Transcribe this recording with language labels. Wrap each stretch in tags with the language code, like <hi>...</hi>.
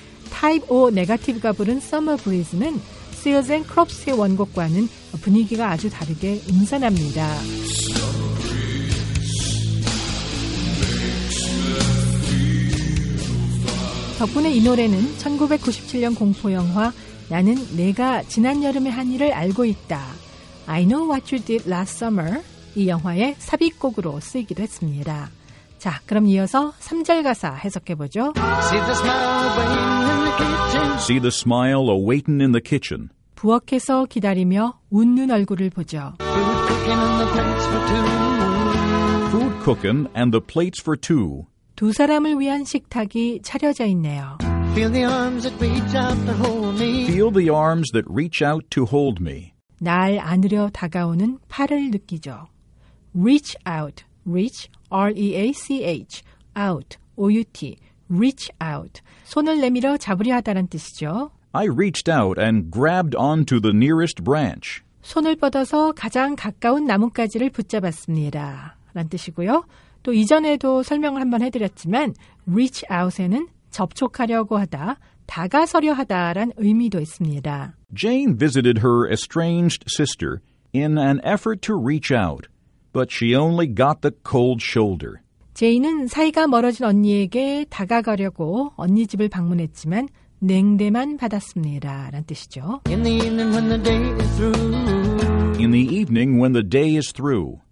<ko>Type O Negative가 부른 Summer Breeze는 Seals and Crofts의 원곡과는 분위기가 아주 다르게 음산합니다. 덕분에 이 노래는 1997년 공포 영화 나는 내가 지난 여름에 한 일을 알고 있다.</ko> <en>I know what you did last summer.</en> <ko>이 영화의 삽입곡으로 쓰이기도 했습니다. 자, 그럼 이어서 3절 가사 해석해보죠.</ko> <en>See the smile waiting in the kitchen. See the smile awaiting in the kitchen.</en> <ko>부엌에서 기다리며 웃는 얼굴을 보죠.</ko> <en>Food cooking and the plates for two. Food cooking and the plates for two.</en> <ko>두 사람을 위한 식탁이 차려져 있네요.</ko> <en>Feel the arms that reach out to hold me. Feel the arms that reach out to hold me.</en> <ko>날 안으려 다가오는 팔을 느끼죠.</ko> <en>Reach out, reach, R-E-A-C-H, out, O-U-T, reach out.</en> <ko>손을 내밀어 잡으려 하다란 뜻이죠.</ko> <en>I reached out and grabbed onto the nearest branch.</en> <ko>손을 뻗어서 가장 가까운 나뭇가지를 붙잡았습니다. 라는 뜻이고요. 또 이전에도 설명을 한번 해드렸지만 reach out에는 접촉하려고 하다, 다가서려 하다란 의미도 있습니다.</ko> <en>Jane visited her estranged sister in an effort to reach out, but she only got the cold shoulder.</en> <ko>제인은 사이가 멀어진 언니에게 다가가려고 언니 집을 방문했지만 냉대만 받았습니다라는 뜻이죠.</ko> <en>In the evening when the day is through. In the evening when the day is through.</en>